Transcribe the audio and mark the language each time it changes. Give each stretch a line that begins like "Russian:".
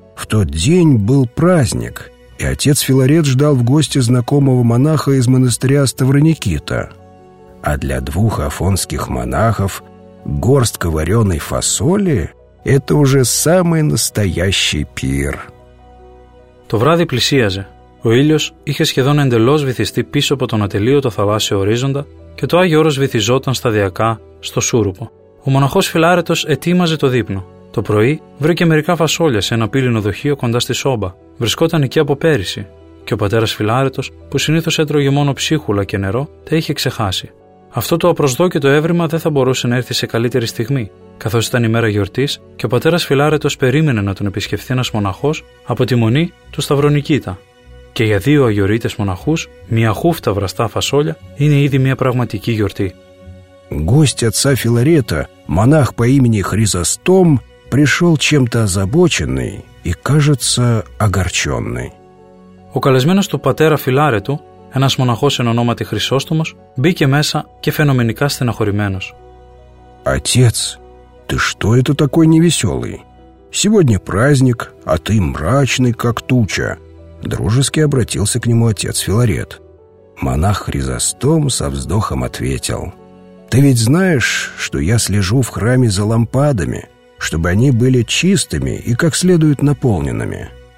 Russian: В тот день был праздник, и отец Филарет ждал в гости знакомого монаха из монастыря Ставроникита. А для двух афонских монахов горстка вареной фасоли – это уже самый настоящий пир.
Greek: Το βράδυ πλησίαζε. Ο ήλιος είχε σχεδόν εντελώς βυθιστεί πίσω από τον ατελείωτο θαλάσσιο ορίζοντα και το Άγιο Όρος βυθιζόταν σταδιακά στο σούρουπο. Ο μοναχός Φιλάρετος ετοίμαζε το δείπνο. Το πρωί βρήκε μερικά φασόλια σε ένα πύλινο δοχείο κοντά στη σόμπα. Βρισκόταν εκεί από πέρυσι. Και ο πατέρας Φιλάρετος, που συνήθως έτρωγε μόνο ψίχουλα και νερό, τα είχε ξεχάσει. Αυτό το απροσδόκητο έβριμα δεν θα μπορούσε να έρθει σε καλύτερη στιγμή, καθώς ήταν η μέρα γιορτής και ο πατέρας Φιλάρετος περίμενε να τον επισκεφθεί ένας μοναχός από τη μονή του Σταυρονικήτα. Και για δύο αγιορείτες μοναχούς, μια χούφτα βραστά φασόλια είναι ήδη μια πραγματική γιορτή.
Russian: Гость отца Филарета, монах по имени Хризостом, пришел чем-то озабоченный и, кажется, огорченный.
Greek: Ο καλεσμένος του πατέρα Φιλάρετου, ένας μοναχός εν ονόματι Χρυσόστομος, μπήκε μέσα και φαινομενικά στεναχωρημένος.
Russian: «Отец, ты что это такой невеселый? Сегодня праздник, а ты мрачный, как туча!» Дружески обратился к нему отец Филарет. Монах Хризостом со вздохом ответил. «Ты ведь знаешь, что я слежу в храме за лампадами, чтобы они были чистыми и как следует наполненными».